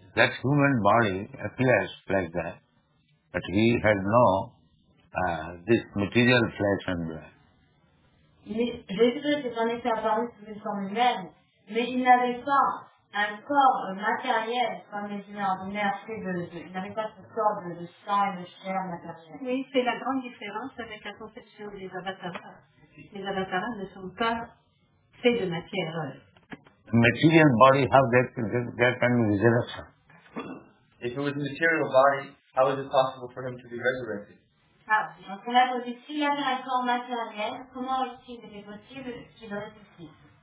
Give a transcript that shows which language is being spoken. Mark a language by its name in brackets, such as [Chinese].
[English] That human body appears like that, but he has no this material flesh and blood. [French] Jésus est en effet apparu sous une forme humaine, mais il n'avait pas un corps matériel comme les humains ordinaires, il n'avait pas ce corps de sang et de chair matériel. Oui, c'est la grande différence avec la conception des avatars. Les avatars ne sont pas faits de matière. [English] The material body, how that can be resurrected? If it was a material body, how is it possible for him to be resurrected? [French] Ah, donc on a posé, s'il y avait un corps matériel, comment est-il possible qu'il ressuscite?